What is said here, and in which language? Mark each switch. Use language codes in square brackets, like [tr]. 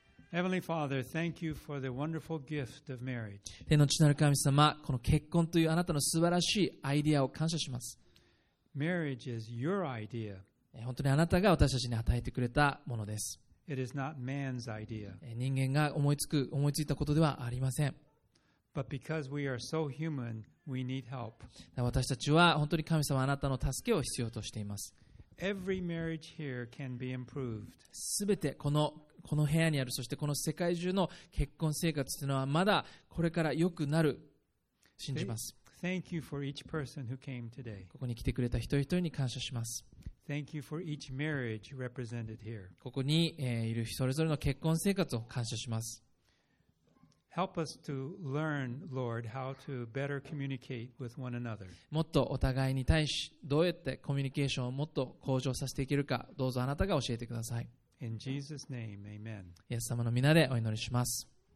[en] Heavenly Father, thank you for the wonderful gift of marriage. [ja] 天の父なる神様、この結婚というあなたの素晴らしいアイデアを感謝します。 [en] Marriage is your idea. [ja] 本当にあなたが私たちに与えてくれたものです。 [en] It is not man's idea. [ja] 人間が思いついたことではありません。 [en] But because we are so human, we need help. [ja] 私たちは本当に神様、あなたの助けを必要としています。 [en] Every marriage here can be improved. [ja] すべてこの部屋にある、そしてこの世界中の結婚生活というのはまだこれから良くなる信じます。 [en] Thank you for each person who came today. [ja] ここに来てくれた一人一人に感謝します。 [en] Thank you for each marriage represented here. [ja] ここに、いるそれぞれの結婚生活を感謝します。 [en] Help us to learn, Lord, how to better communicate with one another. [ja] もっとお互いに対しどうやってコミュニケーションをもっと向上させていけるか、どうぞあなたが教えてください。 [en] In Jesus' name, amen. [ja] イエス様の皆でお祈りします。